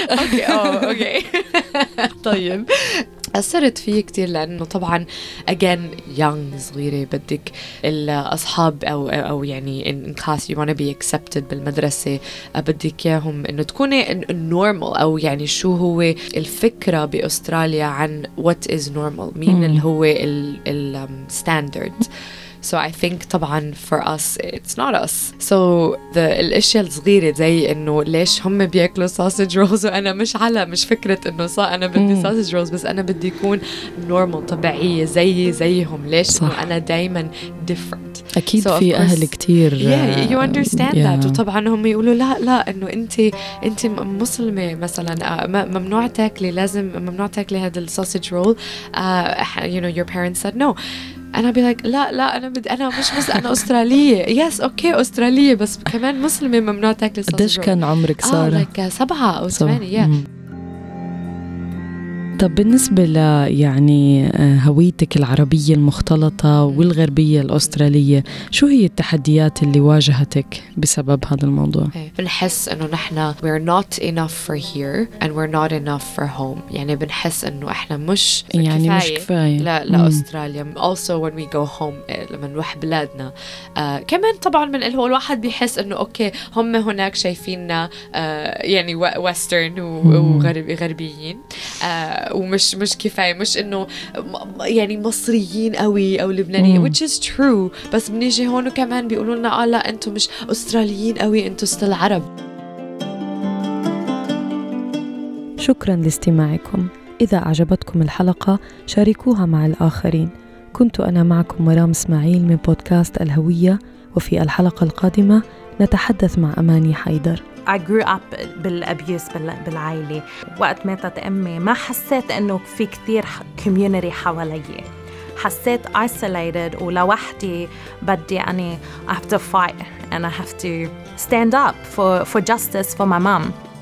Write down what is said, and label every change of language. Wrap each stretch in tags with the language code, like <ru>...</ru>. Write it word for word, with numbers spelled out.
<ar>اوكي اه اوكي طيب أثرت فيه كتير، لأنه طبعاً again young صغيرة، بدك الأصحاب أو أو يعني</ar> <en>in class you want to be accepted</en> <ar>بالمدرسة، بدك إياهم إنه تكوني normal، أو يعني شو هو الفكرة بأستراليا عن</ar> <en>what is normal،</en> <ar>مين اللي هو ال ال standard.</ar> <en>So I think طبعاً for us it's not us.</en> <ar>So the الأشياء الصغيرة زي إنه ليش هم بيأكلوا</ar> <en>sausage rolls</en> <ar>وأنا مش على مش فكرة إنه صا أنا بدي sausage rolls، بس أنا بدي يكون normal طبيعية زي زيهم، ليش إنه أنا دايماً different. أكيد so في أهل كتير</ar> <en>yeah you understand yeah. that.</en> <ar>وطبعاً هم يقولوا لا لا إنه أنت أنت مسلمة مثلاً ممنوع تاكلي، لازم ممنوع تاكلي هذا sausage roll.</ar> <en>Uh, you know your parents said no.</en> <ar>أنا بقول لك لا لا أنا بدي أنا مش مس أنا أسترالية. يس أوكي أسترالية بس كمان مسلمة ممنوع تاكل صوص. قديش كان عمرك سارة؟ آه like سبعة أو ثمانية. طب بالنسبة ل يعني هويتك العربية المختلطة والغربية الأسترالية، شو هي التحديات اللي واجهتك بسبب هذا الموضوع؟ بنحس إنه نحنا</ar> <en>we're not enough for here and we're not enough for home.</en> <ar>يعني بنحس إنه إحنا مش يعني كفاية. مش كفاية لا لا أستراليا.</ar> <en>also when we go home</en> <ar>لما نروح بلادنا آه كمان طبعا من اللي هو الواحد بيحس إنه أوكي هم هناك شايفيننا آه يعني وسترن وغربي غربيين آه ومش مش كفاية، مش إنه يعني مصريين قوي أو لبنانيين</ar> <en>which is true،</en> <ar>بس بنيجي هون وكمان بيقولوا لنا آه لا أنتم مش أستراليين قوي، أنتم</ar> <en>still</en> <ar>عرب. شكرا لاستماعكم. إذا أعجبتكم الحلقة شاركوها مع الآخرين. كنت أنا معكم مرام اسماعيل من بودكاست الهوية، وفي الحلقة القادمة نتحدث مع أماني حيدر.</ar> <en>I grew up</en> <ar>بالأبيوس بالعائلة، وقت ماتت أمي ما حسيت أنه في كثير community حوالي، حسيت isolated ولوحدي. بدي أني</ar> <en>I have to fight and I have to stand up for, for justice for my mom.</en>